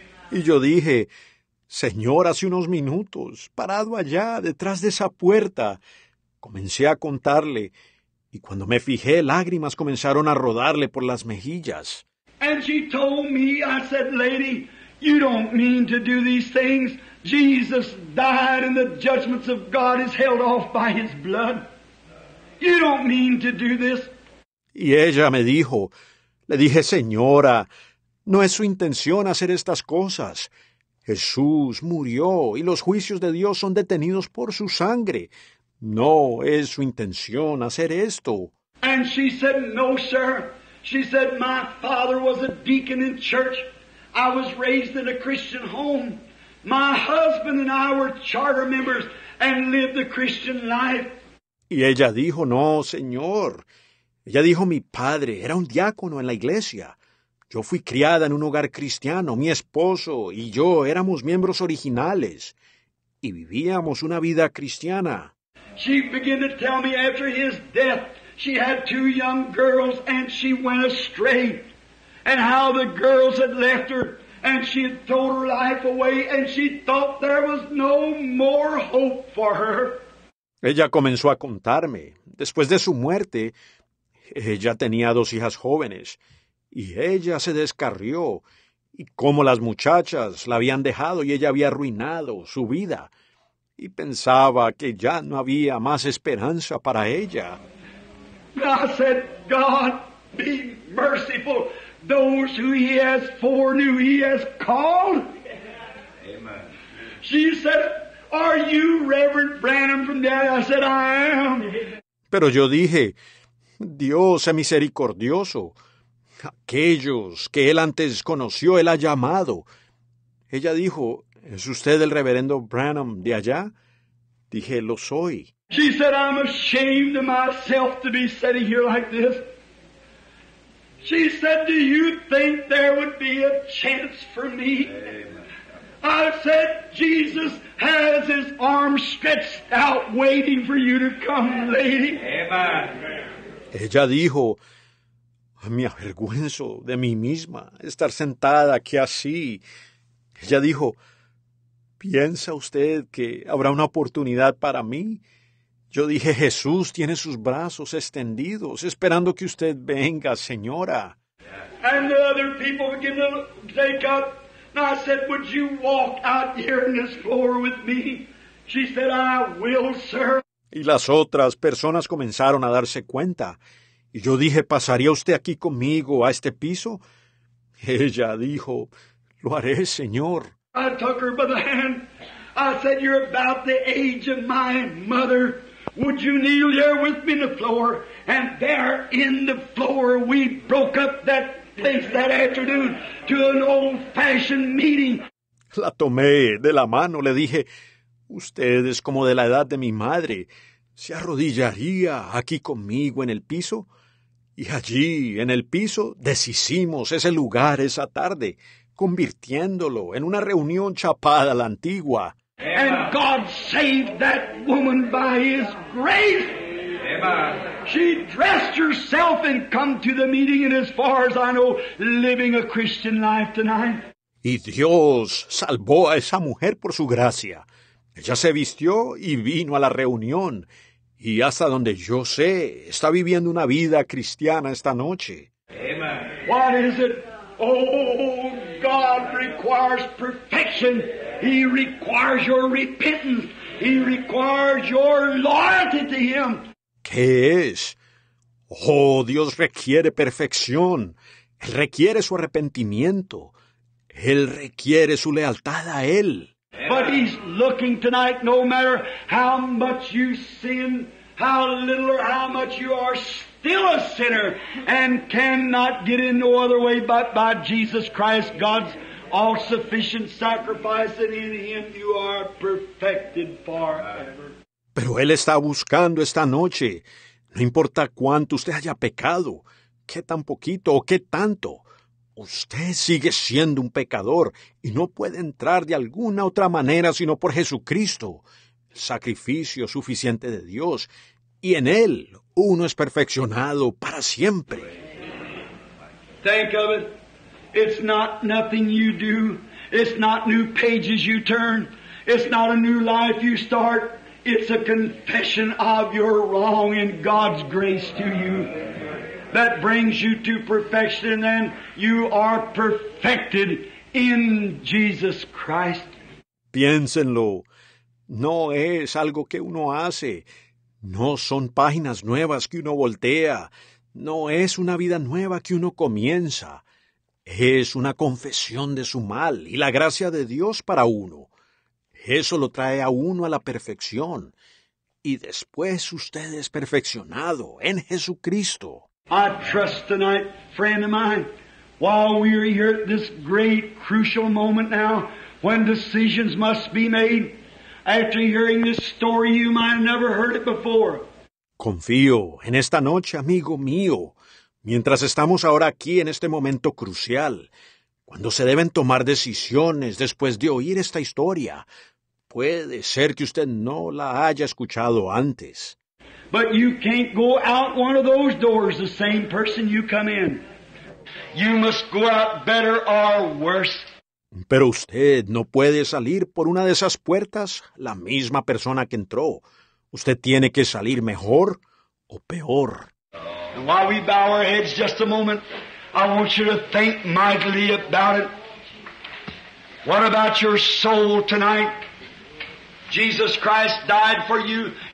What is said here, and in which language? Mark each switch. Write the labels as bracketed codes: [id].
[es] Y yo dije, Señor, hace unos minutos, parado allá, detrás de esa puerta, comencé a contarle, y cuando me fijé, lágrimas comenzaron a rodarle por las mejillas. [en] And she told me, I said, lady, you don't mean to do these things. Jesus died, and the judgments of God is held off by His blood. You don't mean to do this. [es] Y ella me dijo, le dije, señora, no es su intención hacer estas cosas. Jesús murió y los juicios de Dios son detenidos por su sangre. No es su intención hacer esto. [en] And she said, no, sir. She said, my father was a deacon in church. I was raised in a Christian home. My husband and I were charter members and lived a Christian life. [es] Y ella dijo, no, señor. Ella dijo, mi padre era un diácono en la iglesia. Yo fui criada en un hogar cristiano. Mi esposo y yo éramos miembros originales y vivíamos una vida cristiana. [en] She began to tell me after his death, she had two young girls and she went astray. And how the girls had left her and she had thrown her life away and she thought there was no more hope for her. [es] Ella comenzó a contarme. Después de su muerte, ella tenía dos hijas jóvenes. Y ella se descarrió, y cómo las muchachas la habían dejado y ella había arruinado su vida. Y pensaba que ya no había más esperanza para ella. [en] I said, God, be merciful. Those who he has foreknew, he has called. Amen. She said, are you Reverend Branham from there? I said, I am. [es] Pero yo dije, Dios es misericordioso. Aquellos que él antes conoció, él ha llamado. Ella dijo, ¿es usted el reverendo Branham de allá? Dije, lo soy. [en] She said, I'm ashamed of myself to be sitting here like this. She said, do you think there would be a chance for me? Amen. I said, Jesus has his arms stretched out waiting for you to come, lady. Amen. [es] Ella dijo, me avergüenzo de mí misma estar sentada aquí así. Ella dijo, ¿piensa usted que habrá una oportunidad para mí? Yo dije, Jesús tiene sus brazos extendidos, esperando que usted venga, señora. [en] And the other people began to take up. And I said, would you walk out here on this floor with me? She said, I will, sir. [es] Y las otras personas comenzaron a darse cuenta. Y yo dije, ¿pasaría usted aquí conmigo a este piso? Ella dijo, lo haré, señor. [en] I took her by the hand. I said, you're about the age of my mother. Would you kneel there with me on the floor? And there in the floor, we broke up that place that afternoon to an old-fashioned meeting. [es] La tomé de la mano. Le dije, usted es como de la edad de mi madre. ¿Se arrodillaría aquí conmigo en el piso? Y allí, en el piso, deshicimos ese lugar esa tarde, convirtiéndolo en una reunión chapada a la antigua. [en] And God saved that woman by his grace. Amen. She dressed herself and come to the meeting, and as far as I know, living a Christian life tonight. [es] Y Dios salvó a esa mujer por su gracia. Ella se vistió y vino a la reunión. Y hasta donde yo sé, está viviendo una vida cristiana esta noche. Amen. [en] What is it? Oh, God requires perfection. He requires your repentance. He requires your loyalty to him. [es] ¿Qué es? Oh, Dios requiere perfección. Él requiere su arrepentimiento. Él requiere su lealtad a él. [en] But he's looking tonight, no matter how much you sin, how little or how much you are still a sinner and cannot get in no other way but by Jesus Christ, God's all-sufficient sacrifice, and in him you are perfected forever. [es] Pero él está buscando esta noche. No importa cuánto usted haya pecado, qué tan poquito o qué tanto. Usted sigue siendo un pecador y no puede entrar de alguna otra manera sino por Jesucristo, el sacrificio suficiente de Dios, y en Él uno es perfeccionado para siempre. [en] Think of it. It's not nothing you do. It's not new pages you turn. It's not a new life you start. It's a confession of your wrong and God's grace to you. That brings you to perfection, and you are perfected in Jesus Christ. [es] Piénsenlo. No es algo que uno hace. No son páginas nuevas que uno voltea. No es una vida nueva que uno comienza. Es una confesión de su mal y la gracia de Dios para uno. Eso lo trae a uno a la perfección. Y después usted es perfeccionado en Jesucristo. [en] I trust tonight, friend of mine, while we are here at this great crucial moment now, when decisions must be made, after hearing this story, you might have never heard it before. [es] Confío en esta noche, amigo mío, mientras estamos ahora aquí en este momento crucial, cuando se deben tomar decisiones después de oír esta historia. Puede ser que usted no la haya escuchado antes. [en] But you can't go out one of those doors the same person you come in. You must go out better or worse. [es] Pero usted no puede salir por una de esas puertas la misma persona que entró. Usted tiene que salir mejor o peor. [en] And while we bow our heads just a moment, I want you to think mightily about it. What about your soul tonight? Jesus Christ died for you.